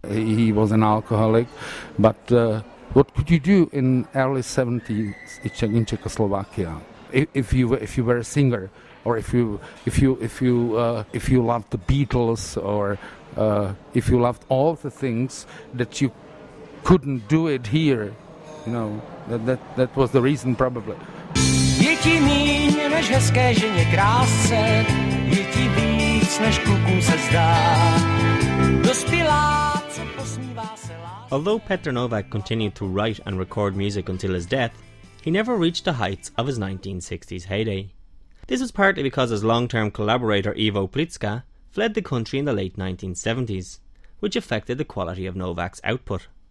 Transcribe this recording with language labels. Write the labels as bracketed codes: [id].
[en] He was an alcoholic, but what could you do in early 70s in Czechoslovakia? if you were a singer, or if you loved the Beatles, or if you loved all the things that you couldn't do it here, you know, that was the reason probably. [cs] Je ti míň než hezké ženě krásce, je ti víc než klukům se zdá. [en] Although Petr Novák continued to write and record music until his death, he never reached the heights of his 1960s heyday. This was partly because his long-term collaborator Ivo Plicka fled the country in the late 1970s, which affected the quality of Novák's output.